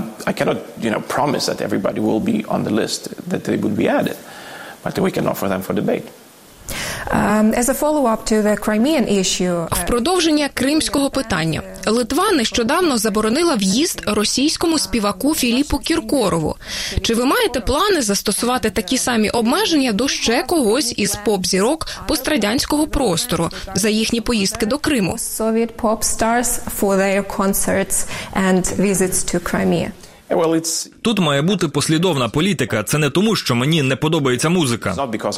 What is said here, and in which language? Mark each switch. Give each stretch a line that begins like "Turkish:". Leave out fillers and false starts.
English: I cannot, promise that everybody will be on the list, that they would be added, but we can offer them for debate. As a follow-up to the Crimean issue.
Ukrainian: В продовження кримського питання. Литва нещодавно заборонила в'їзд російському співаку Філіпу Кіркорову. Чи ви маєте плани застосувати такі самі обмеження до ще когось із поп-зірок пострадянського простору за їхні поїздки до Криму?
English: Soviet pop stars for their concerts and visits to Crimea.
Ukrainian: Тут має бути послідовна політика. Це не тому, що мені не подобається музика.